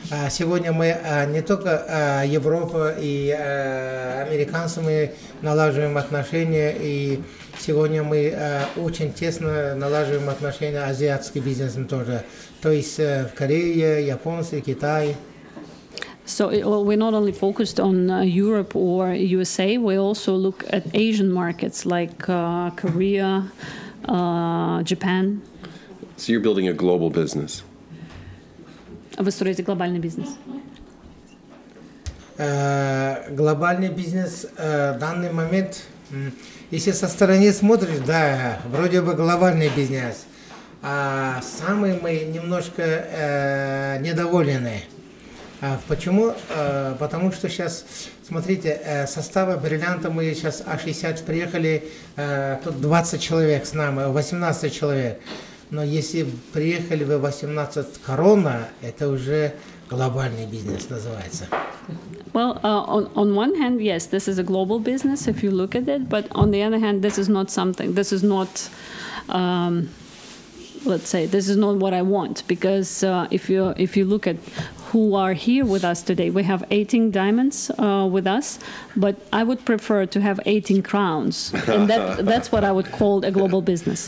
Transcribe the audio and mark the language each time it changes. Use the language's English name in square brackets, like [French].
[Russian] Сегодня мы не только Европа и американцы налаживаем отношения, и сегодня мы очень тесно налаживаем отношения с азиатским бизнесом тоже. То есть в Корее, Японии, Китае. [English] So we're not only focused on Europe or USA, we also look at Asian markets like Korea, Japan. So you're building a global business. [Russian] Вы строите глобальный бизнес. Глобальный бизнес в данный момент, если со стороны смотришь, да, вроде бы глобальный бизнес. А самый мы немножко недовольны. Почему? Потому что сейчас, смотрите, состава бриллианта мы сейчас А60 приехали, тут 20 человек с нами, 18 человек. Но если приехали вы 18 корона, это уже глобальный бизнес называется. [English] Well, on one hand, yes, this is a global business if you look at it, but on the other hand, this is not something, this is not, let's say, this is not what I want, because if you look at who are here with us today, we have 18 diamonds with us, but I would prefer to have 18 crowns, and that's what I would call a global business.